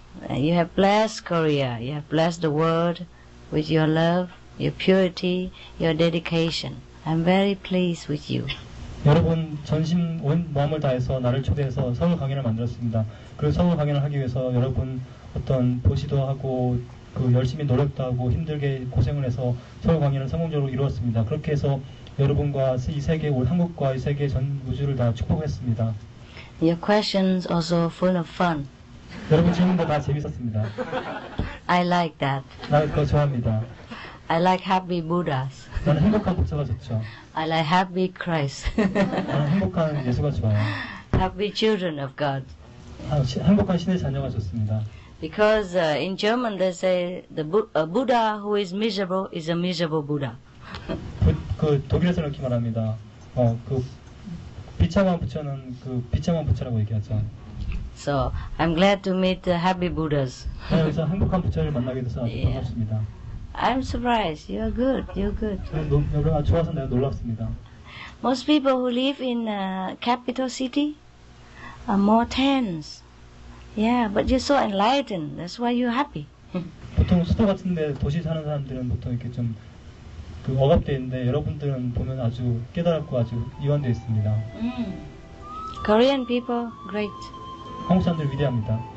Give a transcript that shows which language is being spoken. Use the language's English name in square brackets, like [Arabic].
[English] You have blessed Korea. You have blessed the world with your love, your purity, your dedication. I'm very pleased with you. [Korean] 여러분 전심 온 마음을 다해서 나를 초대해서 서울 강연을 만들었습니다. 그리고 서울 강연을 하기 위해서 여러분 어떤 보시도 하고 그 열심히 노력도 하고 힘들게 고생을 해서 서울 강연을 성공적으로 이루었습니다. 그렇게 해서 여러분과 이 세계, 우리 한국과 이 세계 전 우주를 다 축복했습니다. [English] Your questions also full of fun. [Korean] 여러분 질문도 다 재밌었습니다. [English] I like that. [Korean] 나 그거 좋아합니다. [English] I like happy Buddhas. [Korean] 나는 행복한 부처가 좋죠. [English] I like happy Christ. [Korean] 나는 행복한 예수가 좋아요. [English] Happy children of God. [Korean] 행복한 신의 자녀가 좋습니다. [English] Because in German they say the Buddha who is miserable is a miserable Buddha. [Korean] 그 독일에서 이렇게 말합니다. 그 비참한 부처는 그 비참한 부처라고 얘기하죠. [English] So I'm glad to meet the happy Buddhas. [Korean] 그래서 행복한 부처를 만나게 돼서 반갑습니다. [English] I'm surprised. You're good. You're good. [Korean] 여러분 좋아서 내가 놀랐습니다. [English] Most people who live in a capital city are more tense. Yeah, but you're so enlightened. That's why you're happy. [Korean] 보통 수도 같은데 도시 사는 사람들은 보통 이렇게 좀 그 억압돼 있는데 여러분들은 보면 아주 깨달았고 아주 이완돼 있습니다. [English] Korean people, great. [Korean] 한국 사람들 위대합니다.